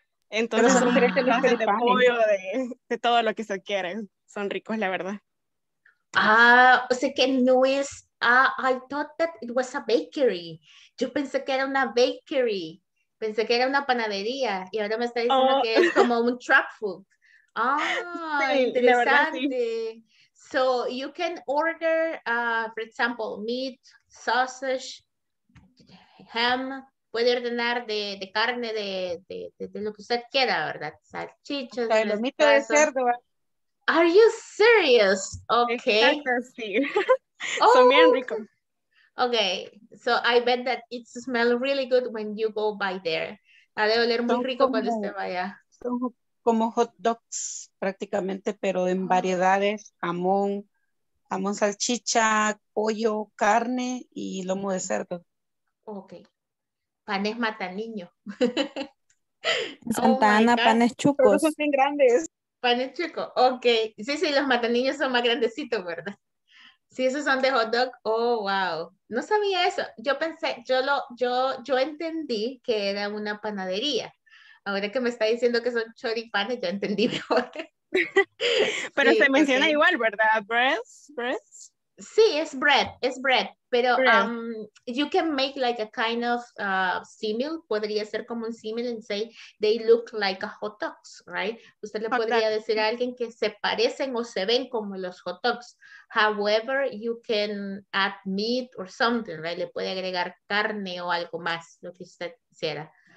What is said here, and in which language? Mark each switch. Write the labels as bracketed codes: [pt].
[es] Entonces son de pollo, de todo lo que se quiere. Son ricos, la verdad. Ah, o sea que no es, [en] I thought that it was a bakery. [es] Yo pensé que era una bakery. Pensé que era una panadería. Y ahora me está diciendo que es como un [en] truck food. [es] Ah, sí, interesante. La verdad, sí. [en] So you can order, for example, meat, sausage, ham. [es] Puede ordenar de carne, de lo que usted quiera, ¿verdad? Salchichas. Okay, los mitos de cerdo. [en] Are you serious? Okay. [es] Exacto, sí. Son bien ricos. [en] Okay. So I bet that it smells really good when you go by there. [es] Ha de oler muy rico como, cuando usted vaya. Como hot dogs prácticamente, pero en variedades, jamón, jamón, salchicha, pollo, carne y lomo de cerdo. Ok. Panes Mataniño. Santa Ana, panes chucos. Todos son bien grandes. Panes chucos, ok. Sí, sí, los Mataniños son más grandecitos, ¿verdad? Sí, esos son de hot dog. [en] Oh, wow. [es] No sabía eso. Yo pensé, yo entendí que era una panadería. Ahora que me está diciendo que son choripanes, yo entendí mejor. Pero sí, se menciona okay. Igual, ¿verdad? ¿Bread? Sí, es [en] bread. [es] Pero [en] you can make like a kind of simil, [es] podría ser como un simil [en] and say they look like a hot dogs, right? [es] Usted le podría decir a alguien que se parecen o se ven como los hot dogs. [en] However, you can add meat or something, right? [es] Le puede agregar carne o algo más, lo que usted quisiera.